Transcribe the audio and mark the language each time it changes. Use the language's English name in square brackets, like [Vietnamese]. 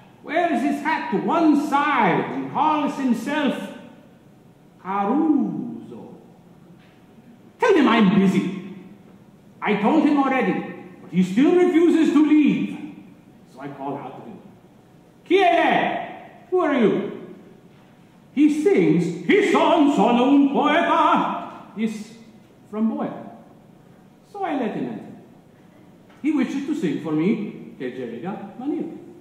[English] Wears his hat to one side and calls himself Caruso. Tell him I'm busy. I told him already, but he still refuses to leave. So I call out to him. [Italian] Chi è? [English] Who are you? He sings, [Italian] chi sono un poeta? [English] This from Boyle. So I let him enter. He wishes to sing for me, [Italian] che gelida maniera.